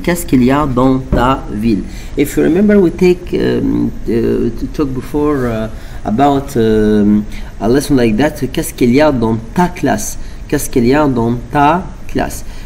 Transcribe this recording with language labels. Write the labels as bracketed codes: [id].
[fr] Qu'est-ce qu'il y a dans ta ville? [en] If you remember, we take to talk before about a lesson like that. [fr] Qu'est-ce qu'il y a dans ta classe? Qu'est-ce qu'il y a dans ta classe?